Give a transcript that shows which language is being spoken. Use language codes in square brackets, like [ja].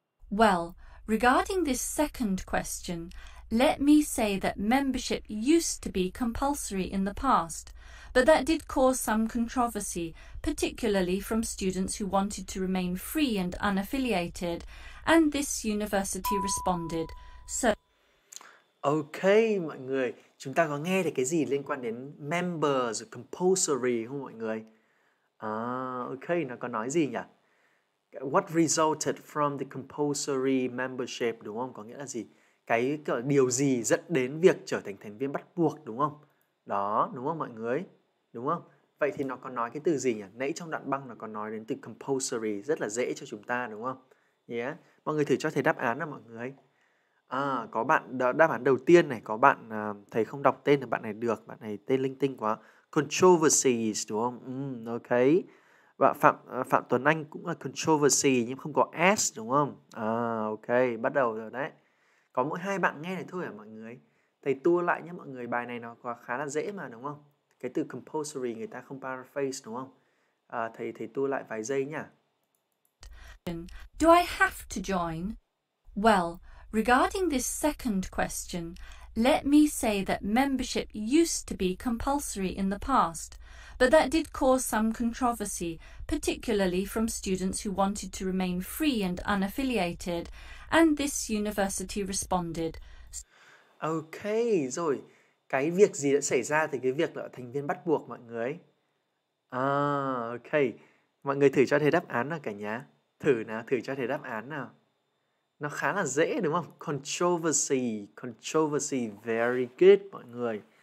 [en] Well, regarding this second question, let me say that membership used to be compulsory in the past, but that did cause some controversy, particularly from students who wanted to remain free and unaffiliated. And this university responded. So [vi] Ok mọi người, chúng ta có nghe được cái gì liên quan đến members, compulsory không mọi người? Ok, nó có nói gì nhỉ? [en] What resulted from the compulsory membership [vi] đúng không? Có nghĩa là gì? Cái điều gì dẫn đến việc trở thành thành viên bắt buộc đúng không? Đó, đúng không mọi người? Đúng không? Vậy thì nó có nói cái từ gì nhỉ? Nãy trong đoạn băng nó có nói đến từ compulsory, rất là dễ cho chúng ta đúng không? Mọi người thử cho thầy đáp án nào mọi người. À, có bạn đáp án đầu tiên này, có bạn thầy không đọc tên là bạn này được, bạn này tên linh tinh quá. Controversies đúng không? Ok. Và Phạm Tuấn Anh cũng là controversy nhưng không có S đúng không? À, ok, bắt đầu rồi đấy. Có mỗi hai bạn nghe này thôi à mọi người. Thầy tua lại nhé mọi người, bài này nó quá khá là dễ mà đúng không? Cái từ compulsory người ta không paraphrase đúng không? À, thầy tua lại vài giây nhá. [en] Do I have to join? Well, regarding this second question, let me say that membership used to be compulsory in the past, but that did cause some controversy, particularly from students who wanted to remain free and unaffiliated, and this university responded. [vi] Ok, rồi. Cái việc gì đã xảy ra thì cái việc là thành viên bắt buộc mọi người. À, ok. Mọi người thử cho thầy đáp án nào cả nhà. Thử nào, thử cho thầy đáp án nào. Nó khá là dễ đúng không? [en] Controversy, controversy, very good [vi] mọi người.